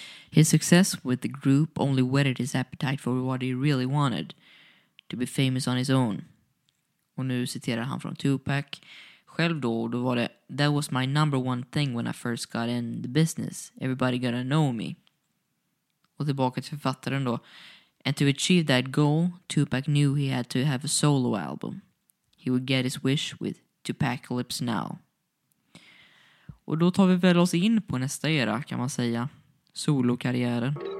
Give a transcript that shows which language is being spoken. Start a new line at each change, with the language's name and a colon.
English: His success with the group only whetted his appetite for what he really wanted. To be famous on his own.
Swedish: Och nu citerar han från Tupac. Själv då, och då var det
English: That was my number one thing when I first got in the business. Everybody gotta know me.
Swedish: Och tillbaka till författaren då.
English: And to achieve that goal, Tupac knew he had to have a solo album. He would get his wish with Tupacalypse Now.
Swedish: Och då tar vi väl oss in på nästa era kan man säga. Solokarriären.